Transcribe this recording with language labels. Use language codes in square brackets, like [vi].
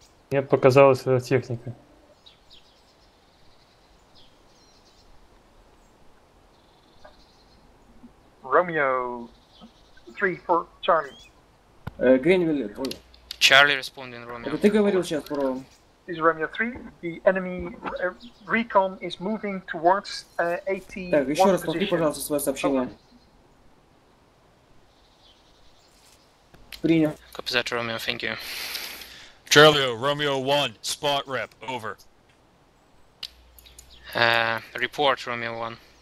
[ru] Мне показалась эта техника. [en] Romeo 3 for Charlie. [ru] Гринвилл, ой. [en] Charlie responding, Romeo. [ru] Это ты говорил сейчас про... [en] This is Romeo 3. The enemy recon is moving towards AT-1 position. [ru] Так, еще раз повтори, пожалуйста, свое сообщение. Okay. Принял. [en] Copy that, Romeo. Thank you. Charlie, Romeo 1. Spot rep. Over. Report, Romeo 1.